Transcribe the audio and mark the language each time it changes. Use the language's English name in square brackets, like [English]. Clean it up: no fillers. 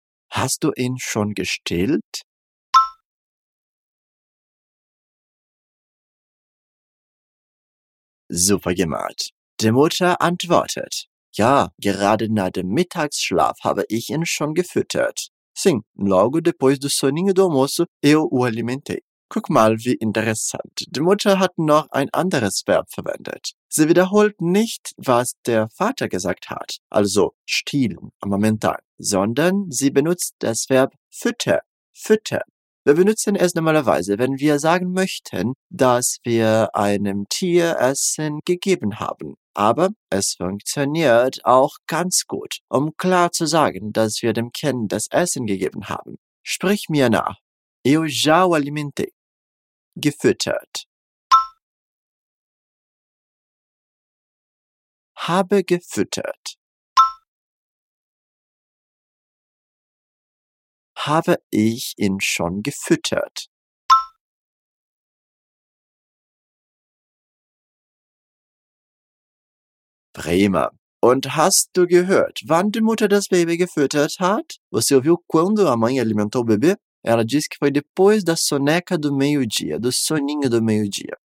[German] Hast du ihn schon gestillt? Super gemacht. Die Mutter antwortet, ja, gerade nach dem Mittagsschlaf habe ich ihn schon gefüttert. [Portuguese] Sim, logo depois do soninho do almoço, eu o alimentei. [German] Guck mal, wie interessant. Die Mutter hat noch ein anderes Verb verwendet. Sie wiederholt nicht, was der Vater gesagt hat, also stillen, amamentar, sondern sie benutzt das Verb fütter, fütter. Wir benutzen es normalerweise, wenn wir sagen möchten, dass wir einem Tier Essen gegeben haben. Aber es funktioniert auch ganz gut, um klar zu sagen, dass wir dem Kind das Essen gegeben haben. Sprich mir nach. [Portuguese] Eu já o alimentei. [German] Gefüttert. Habe gefüttert. Habe ich ihn schon gefüttert? Prima. Und hast du gehört, wann die Mutter das Baby gefüttert hat? [Portuguese] Você ouviu quando a mãe alimentou o bebê? Ela disse que foi depois da soneca do meio-dia, do soninho do meio-dia.